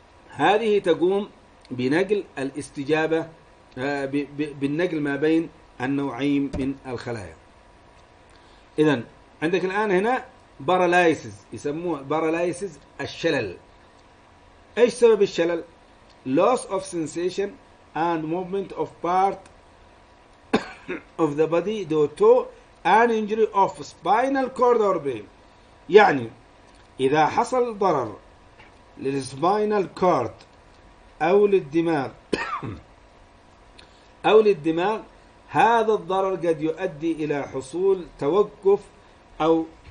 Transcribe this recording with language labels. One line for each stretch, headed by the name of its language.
Arabic: هذه تقوم بنقل الاستجابة، بالنقل ما بين النوعين من الخلايا. إذن عندك الآن هنا باراليسز، يسموه باراليسز الشلل. إيش سبب الشلل؟
English: loss of sensation and movement of part of the body due to an injury of spinal cord or brain.
Arabic: يعني إذا حصل ضرر للسباينال كورد أو للدماغ أو للدماغ، هذا الضرر قد يؤدي إلى حصول توقف أو